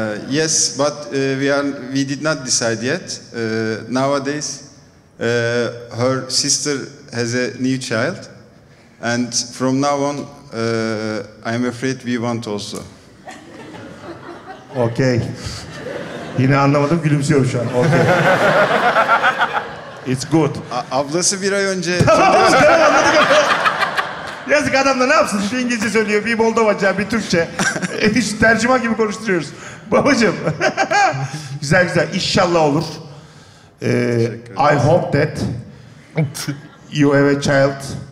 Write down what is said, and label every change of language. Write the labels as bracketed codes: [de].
[en] Yes, but we did not decide yet. Nowadays, her sister has a new child. And from now on, I'm afraid we want also. Okay. [tr] Yine anlamadım, gülümsüyorum şu an. [en] Okay. It's good. [tr] Ablası bir ay önce... Tamam, anladık. Yazık adam da ne yapsın? Bir İngilizce söylüyor, bir Moldovaca, bir Türkçe. Tercüman gibi konuşturuyoruz. Babacığım. Güzel güzel. İnşallah olur. [en] I hope that you have a child.